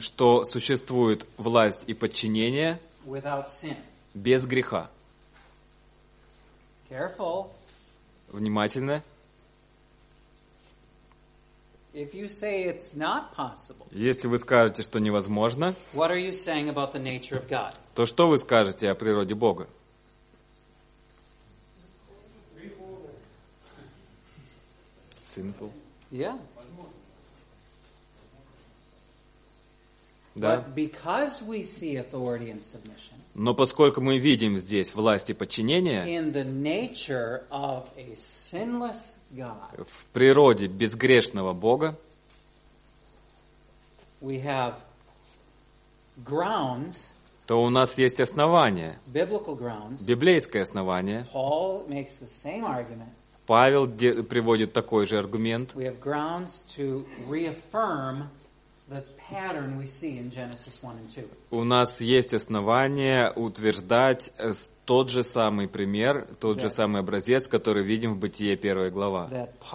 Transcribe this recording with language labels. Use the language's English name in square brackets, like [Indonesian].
[Russian] что существует власть и подчинение [English] without sin? [Russian] Без греха? [English] Careful. [Russian] Внимательно. [English] If you say it's not possible, [Russian] если вы скажете, что невозможно, [English] what are you saying about the nature of God? [Russian] То что вы скажете о природе Бога? [English] Sinful. Yeah. [Russian] Да. [English] But because we see authority and submission, [Russian] но поскольку мы видим здесь власть и подчинение, [English] in the nature of a sinless [Russian] в природе безгрешного Бога, [English] we have grounds, [Russian] то у нас есть основания, [English] biblical grounds, [Russian] библейское основание. [English] Paul makes the same argument. [Russian] Павел приводит такой же аргумент. [English] We have grounds to reaffirm the pattern we see in Genesis 1 and 2. [Russian] У нас есть основания утверждать тот же самый пример, тот же самый образец, который видим в Бытие 1 глава.